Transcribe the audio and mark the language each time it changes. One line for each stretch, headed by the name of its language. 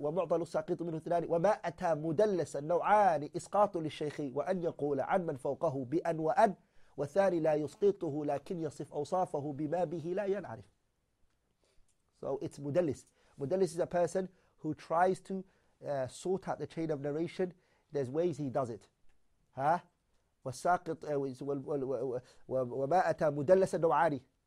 Arabic: ومعضل الساقط منه ثنان وما أتى مدلس النوعان إسقاط للشيخ وأن يقول عن من فوقه بأن وأن والثاني لا يسقطه لكن يصف أوصافه بما به لا ينعرف.
English: So it's مدلس. مدلس is a person who tries to sort out the chain of narration. There's ways he does it. Huh?
Arabic: والساقط وما أتى مدلس النوعان.